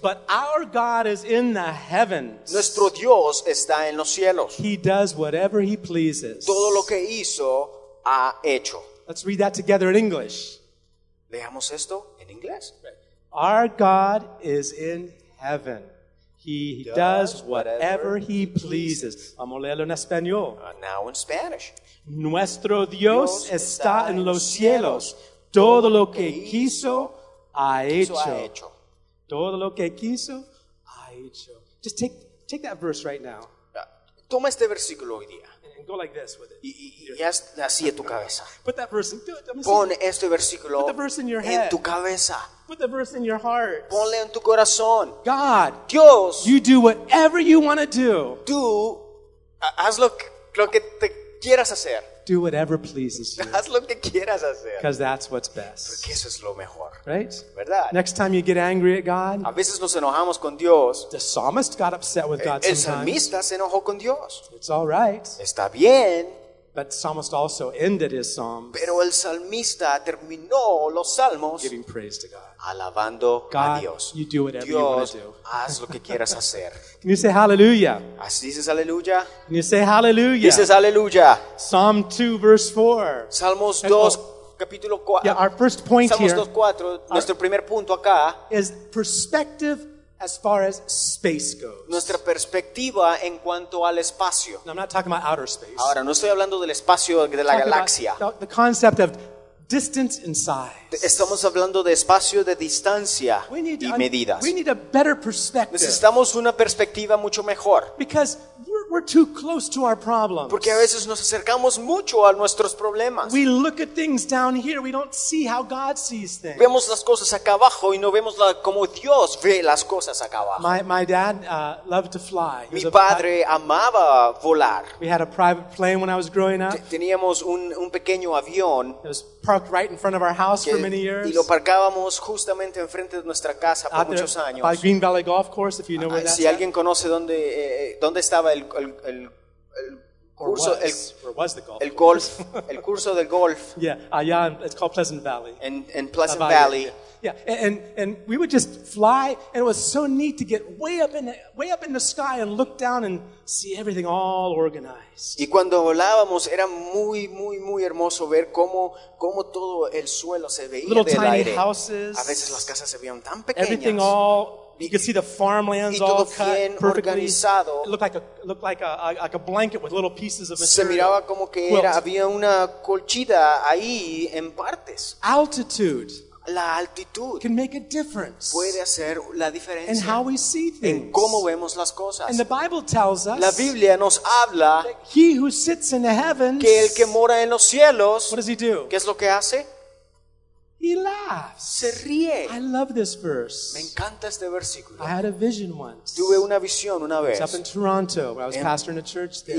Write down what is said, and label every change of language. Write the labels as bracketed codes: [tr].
[en] But our God is in the heavens. [es] Nuestro Dios está en los cielos. [en] He does whatever he pleases. [es] Todo lo que hizo ha hecho. [en] Let's read that together in English. [es] Leamos esto en inglés. [en] Our God is in heaven. He does whatever he pleases. [es] Vamos a leerlo en español. [en] Now in Spanish. [es] Nuestro Dios está en los cielos. Todo lo que hizo ha hecho. Todo lo que quiso, ha hecho. [en] Just take that verse right now. [es] Toma este versículo hoy día. [en] And go like this with it. [es] Y haz así en tu cabeza. [en] Put that verse in. [es] Pon este versículo en tu cabeza. [en] Put the verse in your heart. [es] Ponle en tu corazón. [en] God, [es] Dios, [en] you do whatever you want to do. [es] Tú haz lo que te quieras hacer. [en] Do whatever pleases you. [es] Haz lo que quieras hacer. [en] Because that's what's best. [es] Porque eso es lo mejor. [en] Right? [es] ¿Verdad? [en] Next time you get angry at God. [es] A veces nos enojamos con Dios. [en] The psalmist got upset with God sometimes. [es] El salmista se enojó con Dios. [en] It's all right. [es] Está bien. [en] But the psalmist also ended his psalms. [es] Pero el salmista terminó los salmos. [en] Giving praise to God. [es] Alabando [en] God, [es] a Dios. [en] You do whatever Dios, you want to do. [es] Haz lo que quieras hacer. [en] Can you say hallelujah? [es] Así dices hallelujah. [en] Can you say hallelujah? [es] Dices hallelujah. [en] Psalm 2, verse 4. [es] Salmos 2, capítulo 4. [en] Yeah, our first point [es] Salmos [en] here. [es] Salmos 2, 4, nuestro primer punto acá. [en] Is perspective as far as space goes. [es] Nuestra perspectiva en cuanto al espacio. [en] Now, I'm not talking about outer space. [es] Ahora, no estoy hablando del espacio de la galaxia. [en] The concept of distance and size. [es] Estamos hablando de espacio, de distancia y medidas. [en] We need a better perspective. [es] Necesitamos una perspectiva mucho mejor. [en] Because we're too close to our problems. [es] Porque a veces nos acercamos mucho a nuestros problemas. [en] We look at things down here. We don't see how God sees things. [es] Vemos las cosas acá abajo y no vemos cómo Dios ve las cosas acá abajo. [en] My dad loved to fly. [es] Mi padre amaba volar. [en] We had a private plane when I was growing up. [es] Teníamos un pequeño avión. [en] It was parked right in front of our house for many years. [es] Y lo parcábamos justamente enfrente de nuestra casa por muchos años. [en] By Green Valley Golf Course, if you know where that's [es] at. Si alguien conoce dónde estaba el curso del golf. [en] Yeah, allá it's called Pleasant Valley. In Pleasant Valley. Yeah, and we would just fly, and it was so neat to get way up in the sky and look down and see everything all organized. [es] Y cuando volábamos era muy muy muy hermoso ver cómo todo el suelo se veía [en] little [es] del [en] tiny [es] aire. [en] Houses. [es] A veces las casas se veían tan pequeñas. [en] Everything all. You can see the farmlands all cut perfectly. [es] Organizado. [en] It looked like a blanket with little pieces of material. [es] Se miraba como que era, había una colchita ahí en partes. [en] Altitude. [es] La altitud [en] can make a difference. [es] Puede hacer la diferencia. [en] And how we see things. [es] En cómo vemos las cosas. [en] And the Bible tells us. [es] La Biblia nos habla. [en] He who sits in the heavens. [es] Que el que mora en los cielos. [en] What does he do? [es] ¿Qué es lo que hace? [en] He laughs. [es] Se ríe. [en] I love this verse. [es] Me encanta este versículo. [en] I had a vision once. [es] Tuve una visión una vez. [en] It was up in Toronto, where I was pastoring a church there.